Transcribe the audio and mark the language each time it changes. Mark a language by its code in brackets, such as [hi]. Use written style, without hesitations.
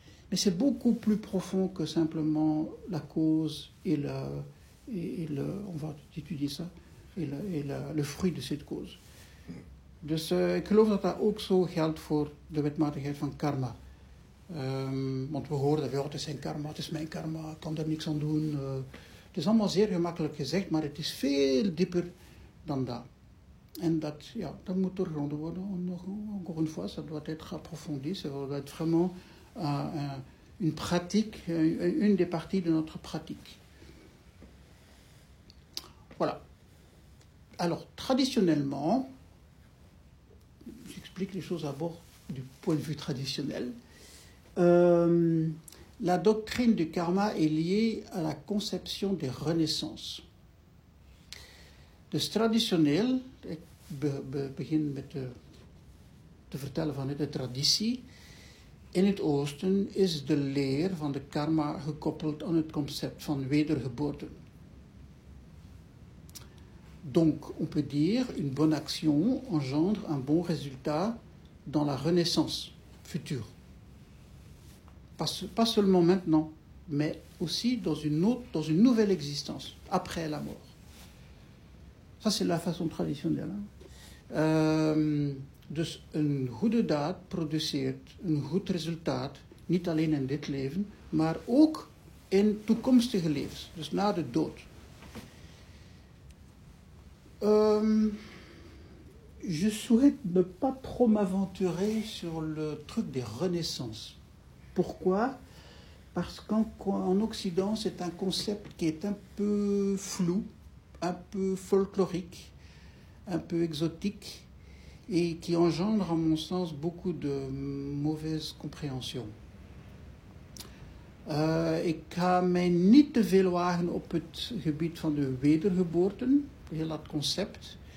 [fr] Mais c'est beaucoup plus profond que simplement la cause et le on va étudier ça, et le fruit de cette cause. [nl] Dus ik geloof dat dat ook zo geldt voor de wetmatigheid van karma. Want we horen dat, ja, het is zijn karma, het is mijn karma, ik kan er niks aan doen. Het is allemaal zeer gemakkelijk gezegd, maar het is veel dieper dan dat. En dat, ja, dat moet doorgronden worden, [fr] encore une fois, ça doit être approfondi, ça doit être vraiment une pratique, une des parties de notre pratique. Voilà. Alors, traditionnellement, j'explique les choses à bord du point de vue traditionnel, la doctrine du karma est liée à la conception des renaissances. [nl] Dus traditioneel, ik begin met te vertellen vanuit de traditie, in het Oosten is de leer van de karma gekoppeld aan het concept van wedergeboorte. [fr] Donc, on peut dire, une bonne action engendre un bon résultat dans la renaissance future. Pas seulement maintenant, mais aussi dans une nouvelle existence, après la mort. Ça, c'est la façon traditionnelle. Hein. [nl] Dus une goede daad produceert un goed résultat, niet alleen in dit leven, maar ook in toekomstige levens, dus na de dood. [fr] Je souhaite ne pas trop m'aventurer sur le truc des renaissances. Pourquoi? Parce qu'en Occident, c'est un concept qui est un peu flou, un peu folklorique, un peu exotique, et qui engendre, à mon sens, beaucoup de mauvaises compréhensions. [nl] Ik ga mij niet te veel wagen op het gebied van de wedergeboorten, heel dat concept.